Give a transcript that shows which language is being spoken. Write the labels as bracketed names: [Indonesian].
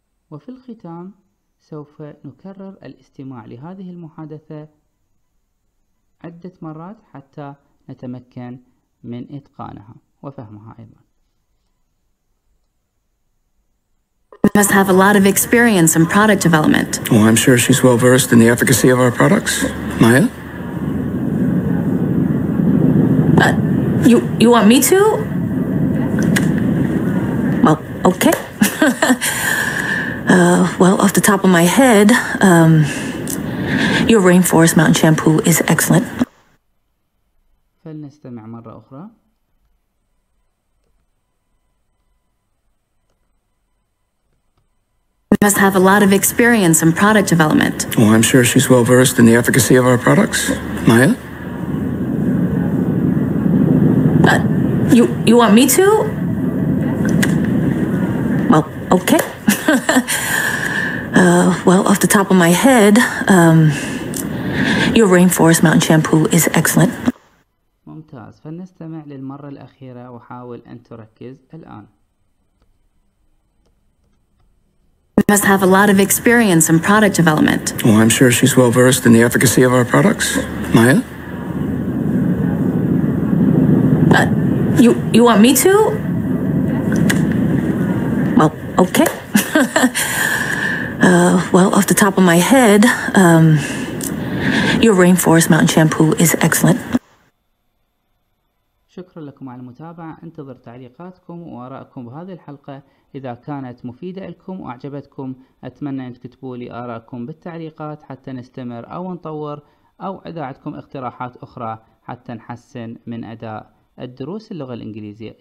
[Arabic] وفي الختام سوف نكرر الاستماع لهذه المحادثة عدة مرات حتى نتمكن من إتقانها وفهمها أيضا. [English] Must have a lot of experience in product development. Oh, I'm sure she's well versed in the efficacy of our products. Maya? You want me to? Well, okay. Well, off the top of my head, your rainforest mountain shampoo is excellent. [Arabic] فلنستمع مرة أخرى. [English] Must have a lot of experience in product development. Oh, I'm sure she's well versed in the efficacy of our products. Maya? You want me to? Well, okay. Well, off the top of my head, your rainforest mountain shampoo is excellent. [Arabic] ممتاز. فلنستمع للمرة الأخيرة وحاول أن تركز الآن. [English] You must have a lot of experience in product development. Oh, I'm sure she's well versed in the efficacy of our products. Maya? You want me to? Well, okay. Well, off the top of my head, your rainforest mountain shampoo is excellent. [Arabic] شكرا لكم على المتابعة. انتظر تعليقاتكم وآراءكم بهذه الحلقة. إذا كانت مفيدة لكم وأعجبتكم أتمنى أن تكتبوا لي آراءكم بالتعليقات حتى نستمر أو نطور، أو إذا عندكم اقتراحات أخرى حتى نحسن من أداء الدروس اللغة الإنجليزية.